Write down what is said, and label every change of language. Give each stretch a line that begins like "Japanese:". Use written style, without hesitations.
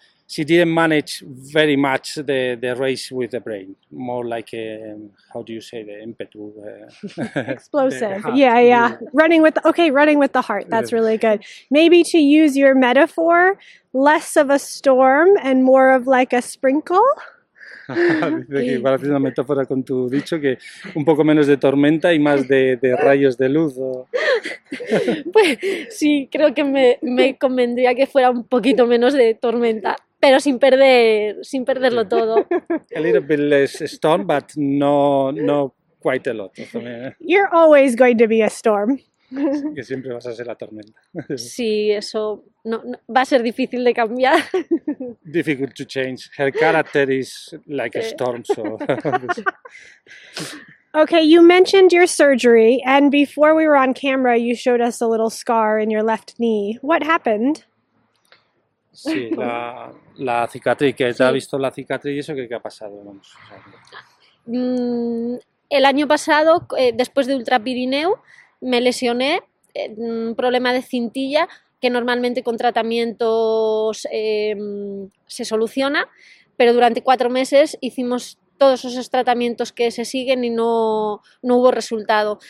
English: she didn't manage very much the race with the brain, more like the impetu? Explosive. Yeah. Running with the heart. That's really good. Maybe to use your metaphor, less of a storm and more of like a sprinkle.
Spanish: Dice que para hacer una metáfora con tu dicho, que un poco menos de tormenta y más de rayos de luz. O... Pues sí, creo que me convendría que fuera un poquito menos de tormenta, pero sin perderlo todo.
English: A little bit less storm, but no quite a lot. You're always going to be a storm.
Spanish: Sí, que siempre vas a ser la tormenta. Sí, eso no va a ser difícil de cambiar.
English: Difficult to change. Her character is like a storm, so. Okay, you mentioned your surgery, and before we were on camera, you showed us a little scar in your left knee. What happened?
Spanish: Sí, la cicatriz. ¿Qué te ha visto la cicatriz y eso qué ha pasado? Vamos. El año pasado, después de ultrapirineo, me lesioné, un problema de cintilla que normalmente con tratamientos se soluciona, pero durante 4 meses hicimos todos esos tratamientos que se siguen y no hubo resultado.